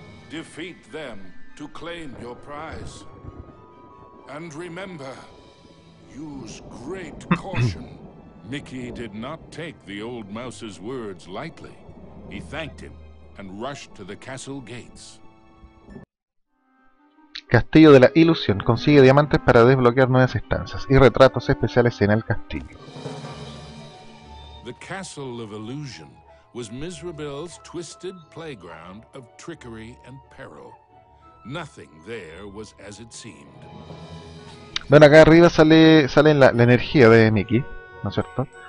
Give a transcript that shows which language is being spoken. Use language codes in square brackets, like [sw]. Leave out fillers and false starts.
[en] Defeat them to claim your prize. And remember, use great caution. Mickey did not take the old mouse's words lightly. He thanked him and rushed to the castle gates. [es] Castillo de la Ilusión. Consigue diamantes para desbloquear nuevas estancias y retratos especiales en el castillo. [en] The Castle of Illusion was Miserable's twisted playground of trickery and peril. Nothing there was as it seemed. [es] Bueno, acá arriba sale la energía de Mickey, ¿no es cierto?